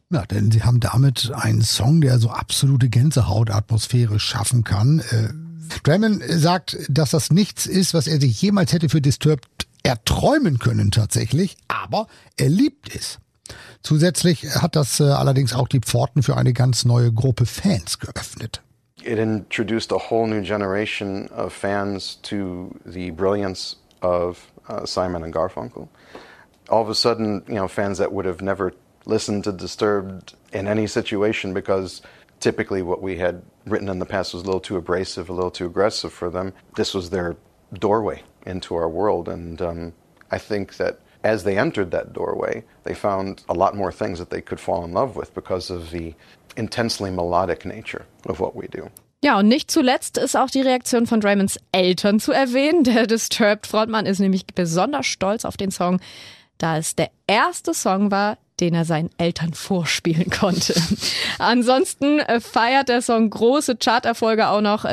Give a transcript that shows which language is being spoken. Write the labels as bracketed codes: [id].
[de] Ja, denn sie haben damit einen Song, der so absolute Gänsehautatmosphäre schaffen kann. Draiman sagt, dass das nichts ist, was er sich jemals hätte für Disturbed erträumen können tatsächlich, aber er liebt es. Zusätzlich hat das allerdings auch die Pforten für eine ganz neue Gruppe Fans geöffnet. [en] It introduced a whole new generation of fans to the brilliance of Simon and Garfunkel. All of a sudden, you know, fans that would have never listened to Disturbed in any situation because typically what we had written in the past was a little too abrasive, a little too aggressive for them. This was their doorway into our world, and I think that as they entered that doorway, they found a lot more things that they could fall in love with because of the intensely melodic nature of what we do. [de] Ja, und nicht zuletzt ist auch die Reaktion von Draimans Eltern zu erwähnen. Der Disturbed-Frontmann ist nämlich besonders stolz auf den Song, da es der erste Song war, den er seinen Eltern vorspielen konnte. Ansonsten feiert der Song große Charterfolge auch noch.